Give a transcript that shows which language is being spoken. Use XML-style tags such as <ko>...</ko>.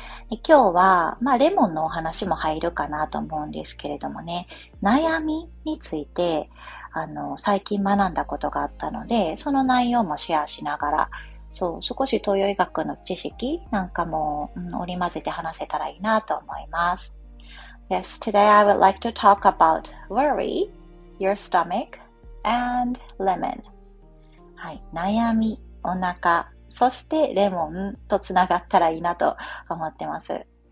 <ja>で今日は、まあレモンのお話も入るかなと思うんですけれどもね、悩みについて、最近学んだことがあったので、その内容もシェアしながら、そう、少し東洋医学の知識なんかも、織り交ぜて話せたらいいなと思います。</ja> <en>Yes, today I would like to talk about worry. Your stomach and lemon.</en> <ja>はい、悩み、お腹、そしてレモンとつながったらいいなと思ってます。</ja>